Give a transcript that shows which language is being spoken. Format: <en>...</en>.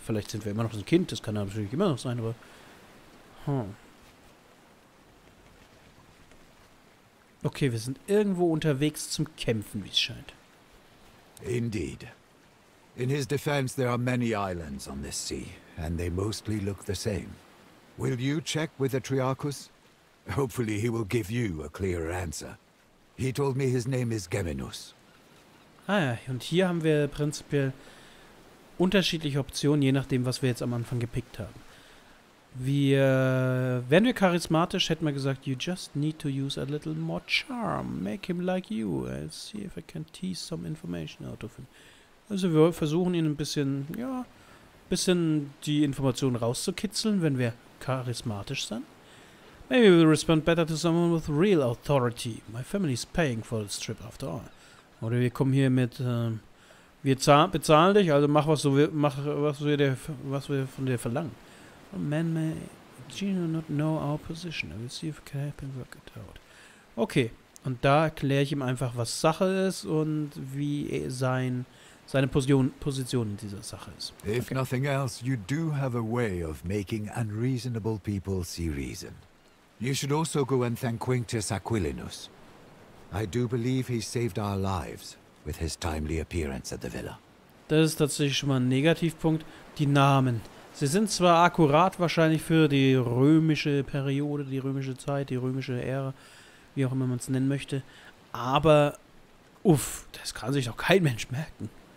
<de>Vielleicht sind wir immer noch ein Kind, das kann natürlich immer noch sein, aber... Okay, wir sind irgendwo unterwegs zum Kämpfen, wie es scheint.</de> <en>Indeed. In his defense, there are many islands on this sea, and they mostly look the same. Will you check with the Triarchus? Hopefully he will give you a clearer answer. He told me his name is Geminus.</en> <de>Ah ja, und hier haben wir prinzipiell unterschiedliche Optionen, je nachdem, was wir jetzt am Anfang gepickt haben. Wären wir charismatisch, hätten wir gesagt,</de> <en>you just need to use a little more charm. Make him like you. I'll see if I can tease some information out of him.</en> <de>Also wir versuchen ihn ein bisschen die Informationen rauszukitzeln, wenn wir charismatisch sind.</de> <en>Maybe we'll respond better to someone with real authority. My family is paying for this trip after all.</en> <de>Oder wir kommen hier mit, bezahlen dich, also mach was wir von dir verlangen.</de> <en>A man may genuinely not know our position. I will see if it can help him work it out.</en> <de>Okay, und da erkläre ich ihm einfach, was Sache ist und wie seine Position in dieser Sache ist. Okay.</de> <en>If nothing else, you do have a way of making unreasonable people see reason. You should also go and thank Quinctus Aquilinus. I do believe he saved our lives with his timely appearance at the villa.</en> <de>Das ist tatsächlich schon mal ein Negativpunkt. Die Namen. Sie sind zwar akkurat wahrscheinlich für die römische Periode, die römische Zeit, die römische Ära, wie auch immer man es nennen möchte, aber uff, das kann sich doch kein Mensch merken.</de>